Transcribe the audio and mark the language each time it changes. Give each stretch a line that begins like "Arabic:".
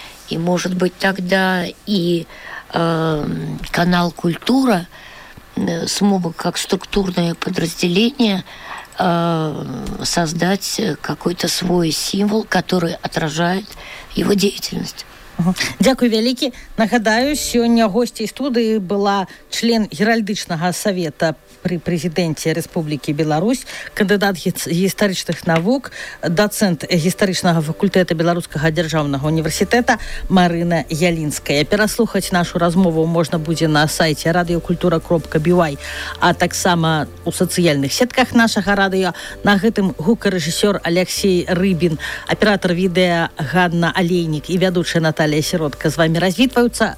Russian: И, может быть, тогда и канал «Культура» смог как структурное подразделение создать какой-то свой символ, который отражает его деятельность.
Belarusian: Дякую вялікі. Нагадаю, сёння госцей студыі была член геральдычнага савета пры прэзідэнце Рэспублікі Беларусь, кандыдат гістарычных навук, дацэнт гістарычнага факультэта Беларускага дзяржаўнага універсітэта Марына Ялінская. Пераслухаць нашу размову можна будзе на сайце radiokultura.by, а таксама ў сацыяльных сетках нашага радыё. На гэтым гукарэжысёр Алексей Рыбін, аператар відэа Ганна Алейнік і вядучая Наталья Алія Сіротка з вами развітваюцца.